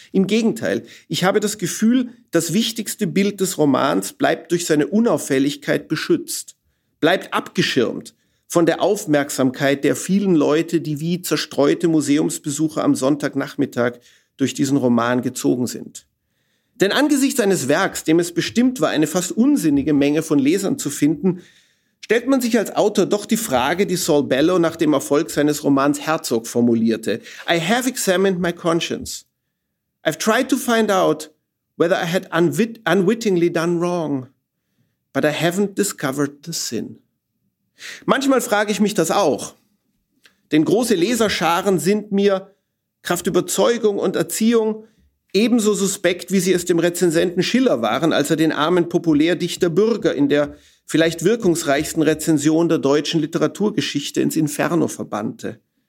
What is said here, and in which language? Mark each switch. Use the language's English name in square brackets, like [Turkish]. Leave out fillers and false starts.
[German] Im Gegenteil, ich habe das Gefühl, das wichtigste Bild des Romans bleibt durch seine Unauffälligkeit beschützt, bleibt abgeschirmt von der Aufmerksamkeit der vielen Leute, die wie zerstreute Museumsbesucher am Sonntagnachmittag durch diesen Roman gezogen sind. Denn angesichts eines Werks, dem es bestimmt war, eine fast unsinnige Menge von Lesern zu finden, stellt man sich als Autor doch die Frage, die Saul Bellow nach dem Erfolg seines Romans Herzog formulierte. [English] I have examined my conscience. I've tried to find out whether I had unwittingly done wrong. But I haven't discovered the sin. [German] Manchmal frage ich mich das auch. Denn große Leserscharen sind mir, kraft Überzeugung und Erziehung, ebenso suspekt, wie sie es dem Rezensenten Schiller waren, als er den armen Populärdichter Bürger in der vielleicht wirkungsreichsten Rezension der deutschen Literaturgeschichte ins Inferno verbannte.